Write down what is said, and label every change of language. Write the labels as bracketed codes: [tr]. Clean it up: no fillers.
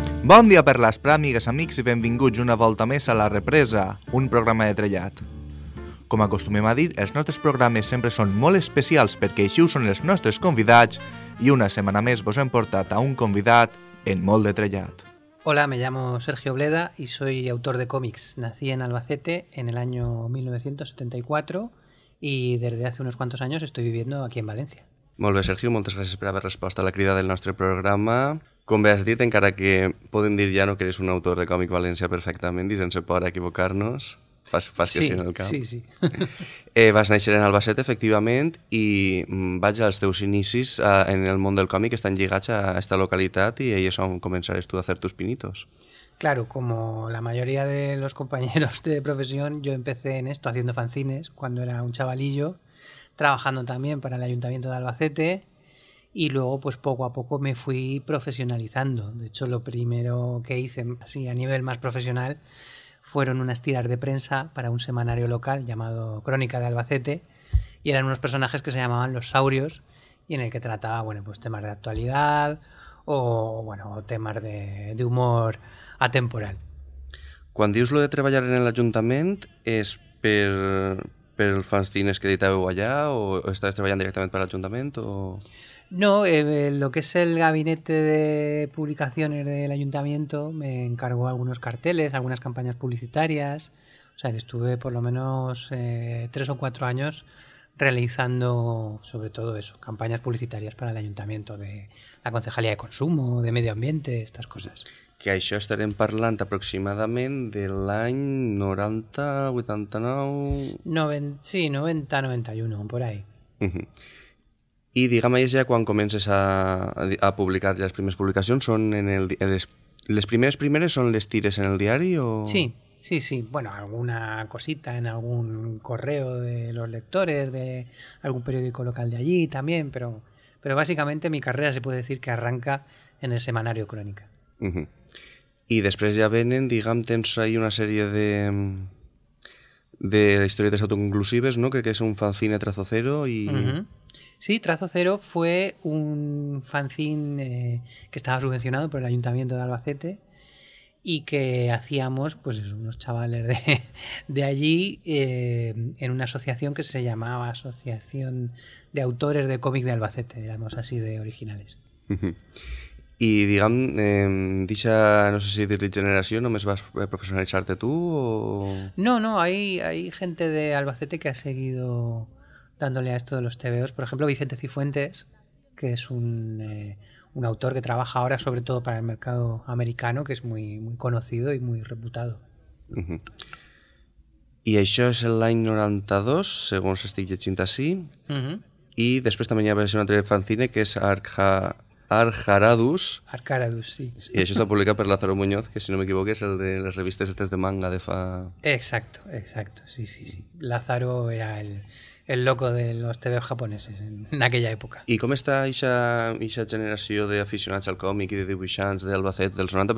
[ca] Bon dia per les pràmigues, amics, i benvinguts una volta més a La Represa, un programa de trellat. Com acostumem a dir, els nostres programes sempre són molt especials perquè així ho són els nostres convidats i una setmana més vos hem portat a un convidat en molt de trellat. [es] Hola, me llamo Sergio Bleda y soy autor de cómics. Nací en Albacete en el año 1974 y desde hace unos cuantos años estoy viviendo aquí en Valencia. [ca] Molt bé, Sergio, moltes gràcies per haver respost a la crida del nostre programa. Com bé has dit, encara que podem dir ja no que eres un autor de còmic valencià perfectament i sense por a equivocar-nos, fas que sí en el cap. Sí, sí. Vas néixer en Albacete, efectivament, i vaig als teus inicis en el món del còmic, estan lligats a esta localitat i ahí és on començaràs tu a fer [es] tus pinitos. Claro, como la mayoría de los compañeros de profesión, yo empecé en esto haciendo fanzines cuando era un chavalillo, trabajando también para el Ayuntamiento de Albacete, y luego pues poco a poco me fui profesionalizando. De hecho, lo primero que hice así a nivel más profesional fueron unas tiras de prensa para un semanario local llamado Crónica de Albacete, y eran unos personajes que se llamaban Los Saurios, y en el que trataba, bueno, pues temas de actualidad o, bueno, temas de humor atemporal. [ca] Quan dius lo de treballar en l'Ajuntament, és per els fanzines que editàveu allà, o estàs treballant directament per l'Ajuntament, o...? [es] No, lo que es el gabinete de publicaciones del ayuntamiento me encargó algunos carteles, algunas campañas publicitarias. O sea, estuve por lo menos 3 o 4 años realizando sobre todo eso, campañas publicitarias para el ayuntamiento, de la concejalía de consumo, de medio ambiente, estas cosas. [ca] Que això estarem parlant aproximadament de l'any 90, 89... [es] 90, sí, 90, 91, por ahí. [ca] I digue'm, és ja quan comences a publicar les primeres publicacions, són en les primeres són les tires en el diari o...? [es] Sí, sí, sí. Bueno, alguna cosita en algun correo de los lectores, de algún periódico local de allí también, pero básicamente mi carrera se puede decir que arranca en el semanario Crónica. [ca] I després ja venen, digue'm, tens ahí una sèrie de historietes autoconclusives, no? Crec que és un fanzine Trazo Cero i... [es] Sí, Trazo Cero fue un fanzine que estaba subvencionado por el Ayuntamiento de Albacete y que hacíamos, pues eso, unos chavales de allí en una asociación que se llamaba Asociación de Autores de Cómic de Albacete, digamos así, de originales. Y digan, dicha, no sé si de generación, ¿no me vas a profesionalizarte tú o...? No, no, hay gente de Albacete que ha seguido dándole a esto de los TVOs. Por ejemplo, Vicente Cifuentes, que es un autor que trabaja ahora sobre todo para el mercado americano, que es muy, muy conocido y muy reputado. [ca] I això és l'any 92, segons estic llegint així. I després també hi ha una altra fanzine, que és Arjaradus. Arjaradus, sí. I això està publicat per Lázaro Muñoz, que si no m'equivoco és el de les revistes estes de manga de fa... [es] Exacto, exacto, sí, sí, sí. Lázaro era el loco de los TVOs japoneses en aquella época. [ca] I com està aquesta generació d'aficionats al còmic i de dibuixants d'Albacete dels 90?